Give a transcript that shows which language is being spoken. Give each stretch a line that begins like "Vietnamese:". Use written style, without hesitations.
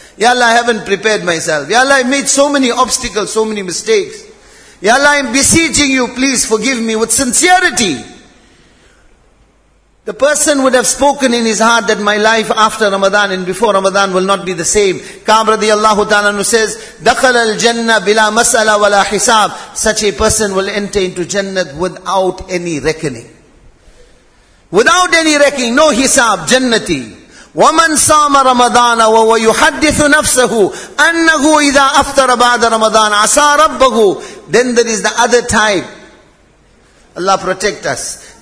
English: Ya Allah, I haven't prepared myself. Ya Allah, I made so many obstacles, so many mistakes. Ya Allah, I'm beseeching you, please forgive me with sincerity. The person would have spoken in his heart that my life after Ramadan and before Ramadan will not be the same. Ka'ab radiyallahu ta'ala who says,
Arabic: دخل الجنة بلا مسألة ولا حساب.
English: Such a person will enter into Jannah without any reckoning. Without any reckoning, no hisab, jannati.
Arabic: وَمَنْ صَامَ رَمَضَانَ وَوَيُحَدِّثُ نَفْسَهُ أَنَّهُ إِذَا أَفْتَرَ بَعْدَ رَمَضَانَ عَسَى رَبَّهُ.
English: Then there is the other type. Allah protect us.